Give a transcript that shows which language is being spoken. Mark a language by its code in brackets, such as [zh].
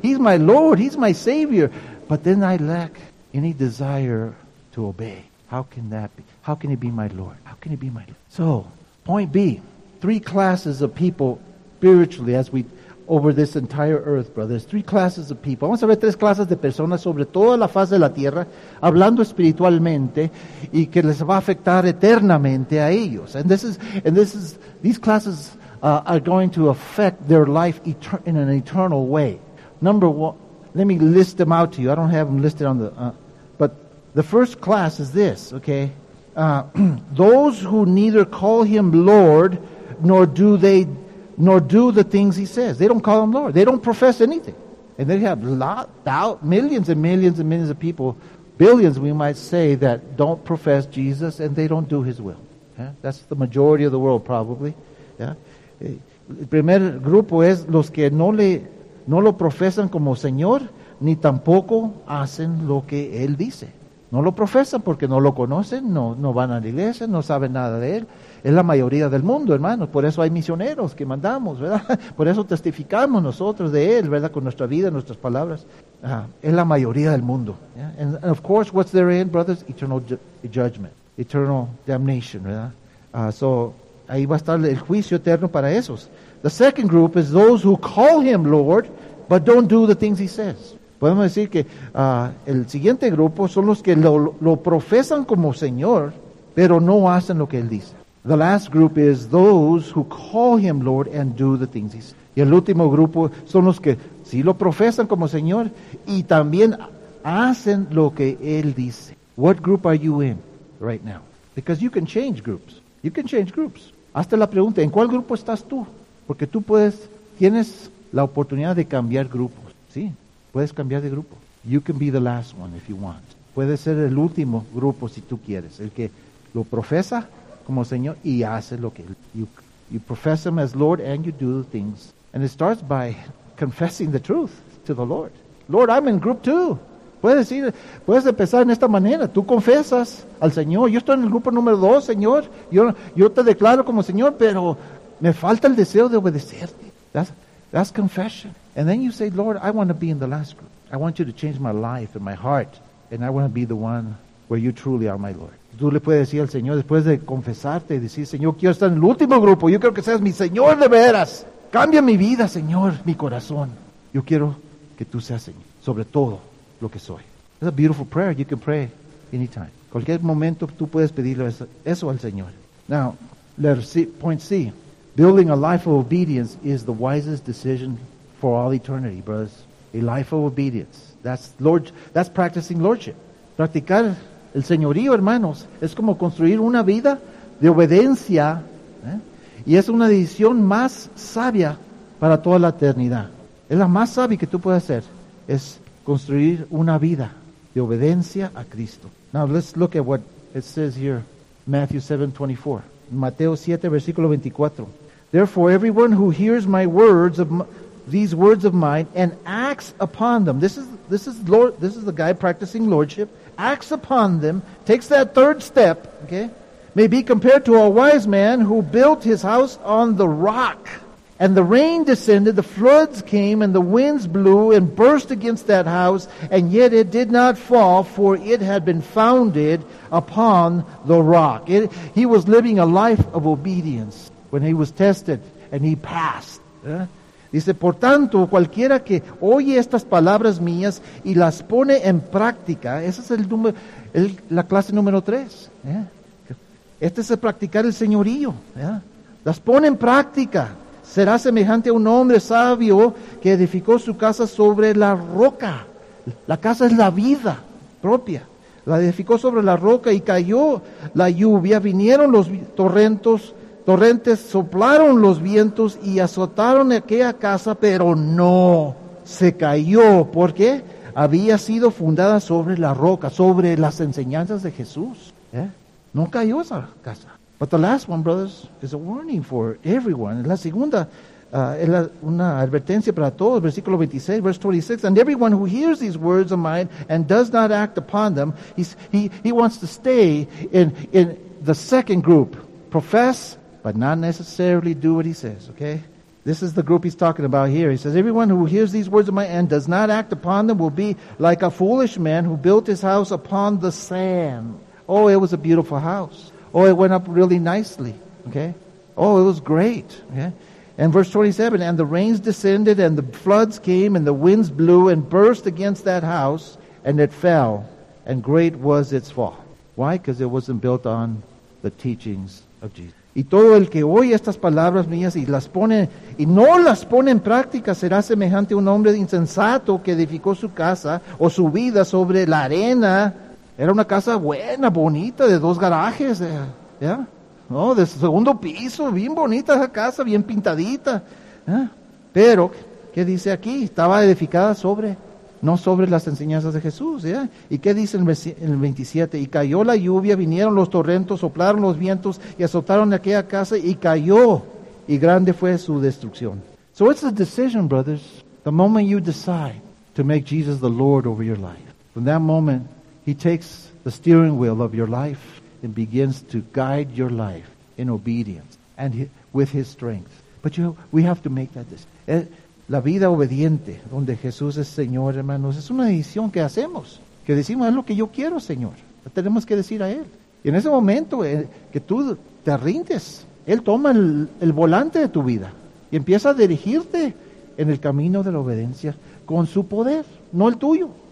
[en] He's my Lord, He's my Savior. But then I lack any desire to obey. How can that be? How can He be my Lord? How can He be my Lord? So, point B, 3 classes of people spiritually as we, over this entire earth, brothers. 3 classes of people. [es] Vamos a ver 3 clases de personas sobre toda la faz de la tierra, hablando espiritualmente, y que les va a afectar eternamente a ellos. [en] And this is, these classes are going to affect their life in an eternal way. Number one, let me list them out to you. I don't have them listed on the... The first class is this, okay? Those who neither call Him Lord, nor do the things He says. They don't call Him Lord. They don't profess anything. And they have millions and millions and millions of people, billions we might say, that don't profess Jesus and they don't do His will. Yeah? That's the majority of the world probably. Yeah? [es] El primer grupo es los que no lo profesan como Señor, ni tampoco hacen lo que Él dice. No lo profesan porque no lo conocen, no van a la iglesia, no saben nada de Él. Es la mayoría del mundo, hermanos. Por eso hay misioneros que mandamos, ¿verdad? Por eso testificamos nosotros de Él, ¿verdad? Con nuestra vida, nuestras palabras. Es la mayoría del mundo. [en] Yeah? And of course, what's their end, brothers? Eternal judgment. Eternal damnation, [es] ¿verdad? So, ahí va a estar el juicio eterno para esos. [en] The second group is those who call Him Lord, but don't do the things He says. [es] Podemos decir que el siguiente grupo son los que lo profesan como Señor, pero no hacen lo que Él dice. [en] The last group is those who call Him Lord and do the things He says. [es] Y el último grupo son los que sí lo profesan como Señor y también hacen lo que Él dice. [en] What group are you in right now? Because you can change groups. You can change groups. [es] Hazte la pregunta, ¿en cuál grupo estás tú? Porque tú tienes la oportunidad de cambiar grupos, ¿sí? Puedes cambiar de grupo. [en] You can be the last one if you want. [es] Puede ser el último grupo si tú quieres. El que lo profesa como Señor y hace lo que... [en] You profess Him as Lord and you do the things. And it starts by confessing the truth to the Lord. Lord, I'm in group two. [es] Puedes empezar en esta manera. Tú confesas al Señor. Yo estoy en el grupo número 2, Señor. Yo te declaro como Señor, pero me falta el deseo de obedecerte. [en] That's confession. And then you say, Lord, I want to be in the last group. I want you to change my life and my heart. And I want to be the one where you truly are my Lord. [es] Tú le puedes decir al Señor, después de confesarte, y decir, Señor, quiero estar en el último grupo. Yo quiero que seas mi Señor de veras. Cambia mi vida, Señor, mi corazón. Yo quiero que tú seas Señor, sobre todo lo que soy. [en] It's a beautiful prayer. You can pray anytime. [es] Cualquier momento tú puedes pedirle eso al Señor. [en] Now, let's see, point C. Building a life of obedience is the wisest decision for all eternity, brothers. A life of obedience. That's practicing lordship. [es] Practicar el señorío, hermanos, es como construir una vida de obediencia, y es una decisión más sabia para toda la eternidad. Es la más sabia que tú puedes hacer, es construir una vida de obediencia a Cristo. [en] Now let's look at what it says here, Matthew 7:24. [es] Mateo 7, versículo 24. [en] Therefore, everyone who hears my words of these words of mine and acts upon them. This is the guy practicing lordship. Acts upon them, takes that third step, okay? May be compared to a wise man who built his house on the rock. And the rain descended, the floods came, and the winds blew and burst against that house, and yet it did not fall, for it had been founded upon the rock. He was living a life of obedience when he was tested, and he passed. [es] Dice, por tanto, cualquiera que oye estas palabras mías y las pone en práctica, esa es la clase número tres. Este es el practicar el señorío. Las pone en práctica. Será semejante a un hombre sabio que edificó su casa sobre la roca. La casa es la vida propia. La edificó sobre la roca y cayó la lluvia. Vinieron los torrentes, soplaron los vientos y azotaron aquella casa, pero no se cayó. ¿Por qué? Había sido fundada sobre la roca, sobre las enseñanzas de Jesús. No cayó esa casa. [en] But the last one, brothers, is a warning for everyone. [es] La segunda es una advertencia para todos. Versículo 26, [en] verse 26. And everyone who hears these words of mine and does not act upon them, he wants to stay in the second group. Profess, but not necessarily do what he says, okay? This is the group he's talking about here. He says, everyone who hears these words of mine and does not act upon them will be like a foolish man who built his house upon the sand. Oh, it was a beautiful house. Oh, it went up really nicely, okay? Oh, it was great, okay? And verse 27, and the rains descended and the floods came and the winds blew and burst against that house and it fell, and great was its fall. Why? Because it wasn't built on the teachings of Jesus. [es] Y todo el que oye estas palabras mías y las pone y no las pone en práctica será semejante a un hombre insensato que edificó su casa o su vida sobre la arena. Era una casa buena, bonita, de dos garajes, ¿no? De segundo piso, bien bonita esa casa, bien pintadita. Pero, ¿qué dice aquí? Estaba edificada sobre, no sobre las enseñanzas de Jesús, ¿Y qué dice en el 27? Y cayó la lluvia, vinieron los torrentos, soplaron los vientos y azotaron aquella casa y cayó. Y grande fue su destrucción. [en] So it's a decision, brothers. The moment you decide to make Jesus the Lord over your life, from that moment, He takes the steering wheel of your life and begins to guide your life in obedience and with His strength. But you know, we have to make that decision. [es] La vida obediente, donde Jesús es Señor, hermanos, es una decisión que hacemos. Que decimos, es lo que yo quiero, Señor. Lo tenemos que decir a Él. Y en ese momento que tú te rindes, Él toma el volante de tu vida y empieza a dirigirte en el camino de la obediencia con su poder, no el tuyo.